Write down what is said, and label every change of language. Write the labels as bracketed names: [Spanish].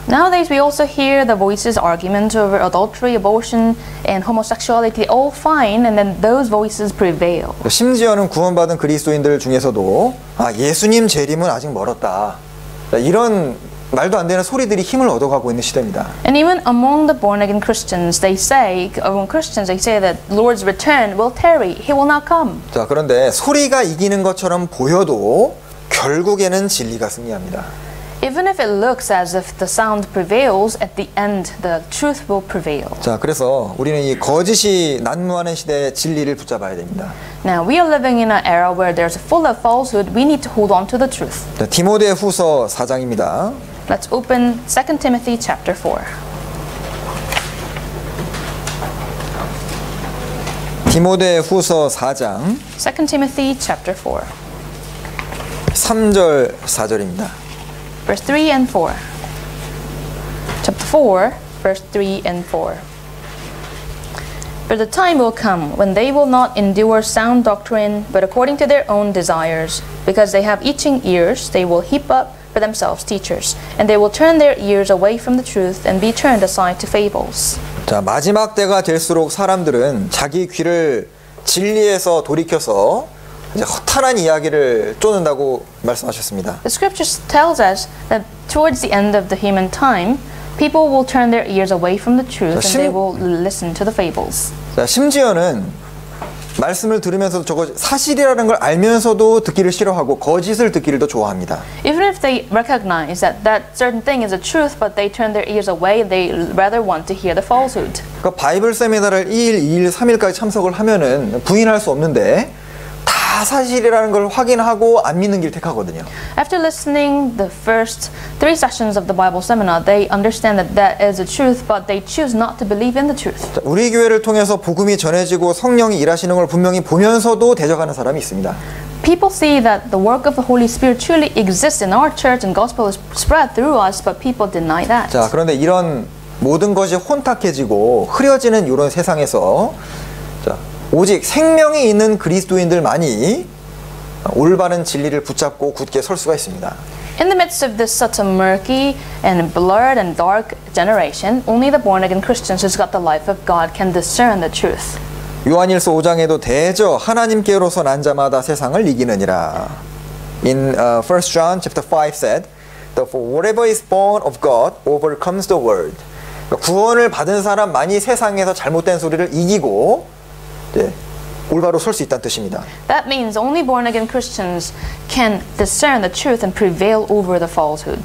[English] Nowadays we also hear the voices arguments over adultery, abortion and homosexuality all fine and then those voices prevail. [Korean] 심지어는 구원받은 그리스도인들 중에서도 아, 예수님 재림은 아직 멀었다. 이런 말도 안 되는 소리들이 힘을 얻어가고 있는 시대입니다. [English] And even among the born again Christians, they say, among Christians, they say that Lord's return will tarry. He will not come. [Korean] 자, 그런데 소리가 이기는 것처럼 보여도 결국에는 진리가 승리합니다. [English] Even if it looks as if the sound prevails, at the end, the truth will prevail. [Korean] 자, 그래서 우리는 이 거짓이 난무하는 시대에 진리를 붙잡아야 됩니다. [English] Now we are living in an era where there's full of falsehood. We need to hold on to the truth. [Korean] 자, 디모데 후서 4장입니다. [English] Let's open 2 Timothy chapter 4. [Korean] 디모데 후서 4장. [English] 2 Timothy chapter 4. [Korean] 3절 4절입니다. [English] Verse 3 and 4. Chapter 4, verse 3 and 4. For the time will come when they will not endure sound doctrine, but according to their own desires, because they have itching ears, they will heap up for themselves teachers, and they will turn their ears away from the truth and be turned aside to fables. [Korean] 자, 마지막 때가 될수록 사람들은 자기 귀를 진리에서 돌이켜서 이제 허탄한 이야기를 쫓는다고 말씀하셨습니다. [English] The scriptures tells us that towards the end of the human time, people will turn their ears away from the truth and they will listen to the fables. [Korean] 자, 심지어는 말씀을 들으면서도 저거 사실이라는 걸 알면서도 듣기를 싫어하고 거짓을 듣기를 더 좋아합니다. [English] Even if they recognize that that certain thing is a truth, but they turn their ears away, they rather want to hear the falsehood. [Korean] 그러니까 바이블 세미나를 2일, 2일, 3일까지 참석을 하면은 부인할 수 없는데 사실이라는 걸 확인하고 안 믿는 길 택하거든요. [English] After listening the first three sessions of the Bible seminar, they understand that that is the truth, but they choose not to believe in the truth. [Korean] 우리 교회를 통해서 복음이 전해지고 성령이 일하시는 걸 분명히 보면서도 대적하는 사람이 있습니다. [English] People see that the work of the Holy Spirit truly exists in our church and gospel is spread through us, but people deny that. [Korean] 자, 그런데 이런 모든 것이 혼탁해지고 흐려지는 이런 세상에서 오직 생명이 있는 그리스도인들만이 올바른 진리를 붙잡고 굳게 설 수가 있습니다. [English] In the midst of this such a murky and blurred and dark generation, only the born again Christians who's got the life of God can discern the truth. [Korean] 요한일서 5장에도 대저 하나님께로서 난 자마다 세상을 이기느니라. [English] In 1 John chapter 5 said, "For whatever is born of God overcomes the world." [Korean] 구원을 받은 사람만이 세상에서 잘못된 소리를 이기고 네, 올바로 설 수 있다는 뜻입니다. [English] That means only born again Christians can discern the truth and prevail over the falsehood.